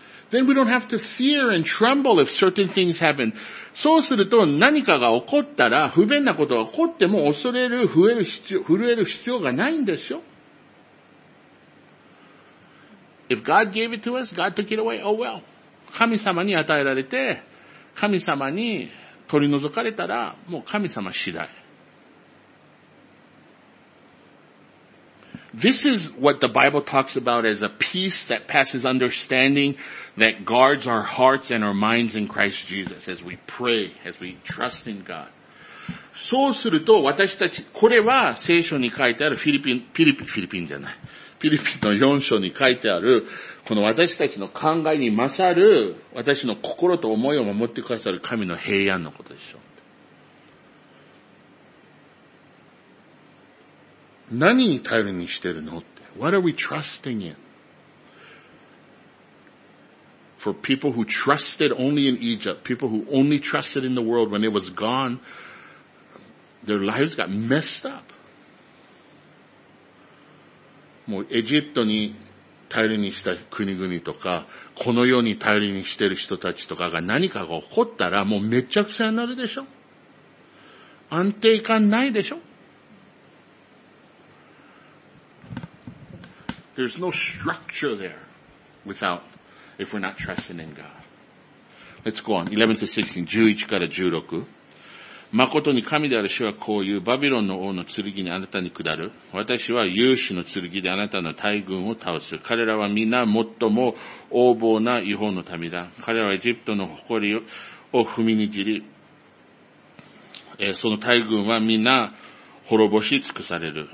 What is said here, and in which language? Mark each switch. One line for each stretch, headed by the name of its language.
English: Then we don't have to fear and tremble if certain things happen.
Japanese: そうすると何かが起こったら不便なことが起こっても恐れる、震える必要がないんでしょ。
English: If God gave it to us, God took it away. Oh well.
Japanese: 神様に与えられて、神様に取り除かれたらもう神様次第。
English: This is what the Bible talks about as a peace that passes understanding that guards our hearts and our minds in Christ Jesus as we pray, as we trust in God.
Japanese: そうすると私たち、これは聖書に書いてあるフィリピンの4章に書いてあるこの私たちの考えに勝る私の心と思いを守ってくださる神の平安のことでしょう。何に頼りにしてるのって。
English: What are we trusting in? For people who trusted only in Egypt, people who only trusted in the world when it was gone, their lives got messed up.
Japanese: もうエジプトに頼りにした国々とか、この世に頼りにしてる人たちとかが何かが起こったら、もうめちゃくちゃになるでしょ。安定感ないでしょ。
English: There's no structure there without, if we're not trusting in God. Let's go on. 11-16, 11-16.
Japanese: まことに神である主はこう言う。バビロンの王の剣にあなたに下る。私は勇士の剣であなたの大軍を倒す。彼らは皆最も横暴な異邦の民だ。彼らはエジプトの誇りを踏みにじり、その大軍は皆滅ぼし尽くされる。